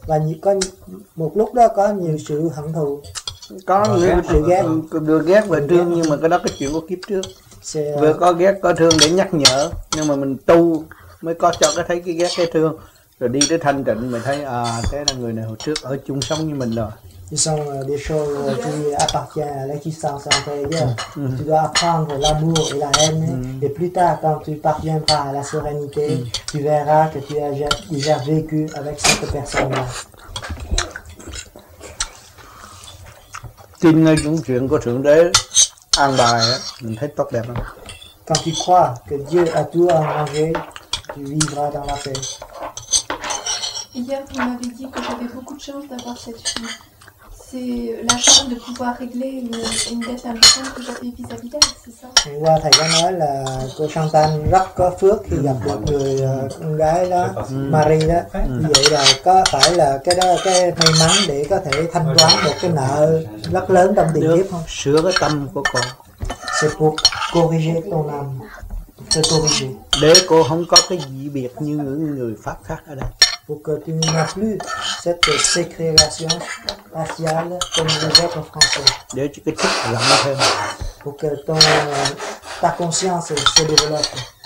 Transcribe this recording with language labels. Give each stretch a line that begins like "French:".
Vietnamese: và có một lúc đó có nhiều sự hận thù, có sự ghét, được ghét và thương, nhưng mà cái đó cái chuyện của kiếp trước. Vừa có ghét có thương để nhắc nhở, nhưng mà mình tu mới có cho cái thấy cái ghét cái thương, rồi đi tới thanh tịnh mình thấy à, thế là người này hồi trước ở chung sống như mình rồi.
French: Ce sont des choses qui appartiennent à l'existence antérieure. Tu dois apprendre l'amour et la haine. Et plus tard, quand tu parviendras à la sérénité, tu verras que tu as déjà vécu avec cette personne-là.
Vietnamese: Tin nơi những chuyện của Thượng Đế an bài, mình thấy tốt đẹp lắm.
French: Quand tu crois que Dieu a tout arrangé, tu vivras dans la paix. Hier, tu m'avais dit que j'avais beaucoup de chance d'avoir cette fille. C'est la chance de pouvoir régler une dette importante que j'avais vis-à-vis d'elle, c'est ça?
Vietnamese: Hôm qua, thầy có nói là cô Santan rất có phước khi gặp được người con gái đó, Marie đó. Vậy là có phải là cái đó cái may mắn để có thể thanh toán một cái nợ rất lớn trong tiền kiếp không? Sửa cái tâm của cô.
French: C'est pour corriger ton âme.
Vietnamese: Để cô không có cái dị biệt như những người Pháp khác ở đây.
French: Pour que tu n'as plus cette ségrégation raciale comme les autres Français.
Vietnamese: Để cho cái thức rộng hơn.
French: Pour que ton, ta conscience se développe.